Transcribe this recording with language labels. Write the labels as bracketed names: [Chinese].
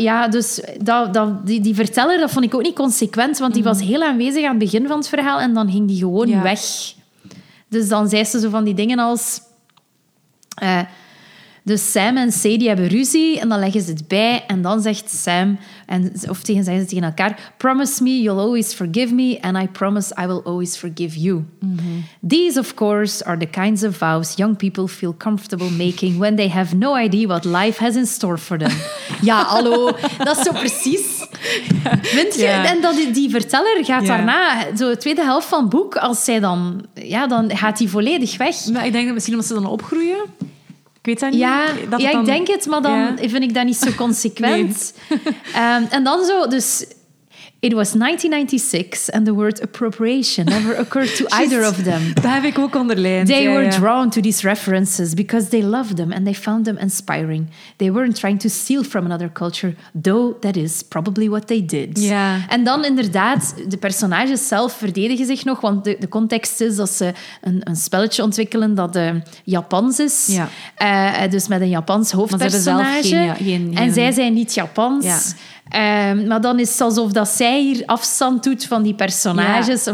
[Dutch] Dus die verteller, dat vond ik ook niet consequent. Want die was heel aanwezig aan het begin van het verhaal. En dan ging die gewoon weg. Dus dan zei ze zo van die dingen als... Dus Sam en Sadie hebben ruzie en dan leggen ze het bij. En dan zegt Sam, en, of tegen, zeggen ze tegen elkaar... [English] Promise me you'll always forgive me and I promise I will always forgive you. Mm-hmm. These, of course, are the kinds of vows young people feel comfortable making when they have no idea what life has in store for them. [Dutch] Ja, hallo. Dat is zo precies. Ja. Vind je? Ja. En dat die verteller gaat daarna, zo de tweede helft van het boek, als zij dan... Ja, dan gaat die volledig weg. Maar ik denk dat misschien omdat ze dan opgroeien... Ik weet dat niet. Ja, dat ja, ik denk het, maar dan vind ik dat niet zo consequent. Nee. En dan zo, dus... [English] It was 1996 and the word appropriation never occurred to either of them. [Dutch] Dat heb ik ook onderlijnd. [English] They were [Dutch] ja. [English] drawn to these references because they loved them and they found them inspiring. They weren't trying to steal from another culture, though that is probably what they did. [Dutch] Ja. En dan inderdaad, de personages zelf verdedigen zich nog, want de context is dat ze een spelletje ontwikkelen dat Japans is. Ja. Dus met een Japans hoofdpersonage. Zij zijn niet Japans. Ja. Maar dan is het alsof dat zij hier afstand doet van die personages.